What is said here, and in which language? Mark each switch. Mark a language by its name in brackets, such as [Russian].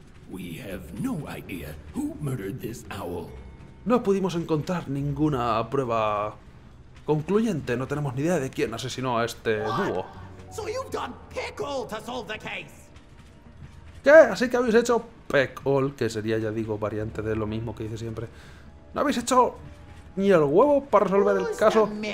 [English] We have no idea who murdered this owl. [Spanish] No pudimos encontrar ninguna prueba concluyente. No tenemos ni idea de quién asesinó a este búho. [English] So you've done pickle to solve the case. [Spanish] ¿Qué? ¿Así que habéis hecho Peck-all, que sería, ya digo, variante de lo mismo que dice siempre? ¿No habéis hecho ni el huevo para resolver el caso?